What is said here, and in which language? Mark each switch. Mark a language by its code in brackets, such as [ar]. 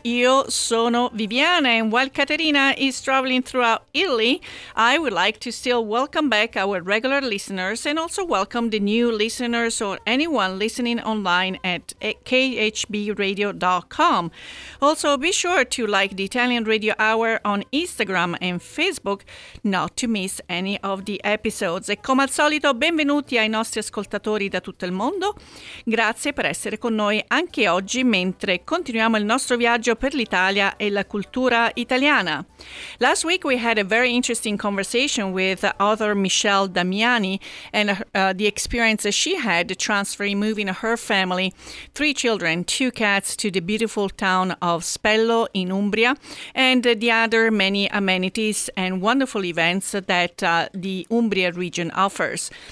[it] Io sono Viviana [en] and while Caterina is traveling throughout Italy, I would like to still welcome back our regular listeners and also welcome the new listeners or anyone listening online at khbradio.com. Also, be sure to like the Italian Radio Hour on Instagram and Facebook not to miss any of the episodes. [it] E come al solito, benvenuti ai nostri ascoltatori da tutto il mondo. Grazie per essere con noi anche oggi mentre continuiamo il nostro viaggio per l'Italia e la cultura italiana. [en] Last week we had a very interesting conversation with author Michelle Damiani and the experience that she had transferring, moving her family, three children, two cats, to the beautiful town of Spello in Umbria, and the other many amenities and wonderful events that the Umbria region offers.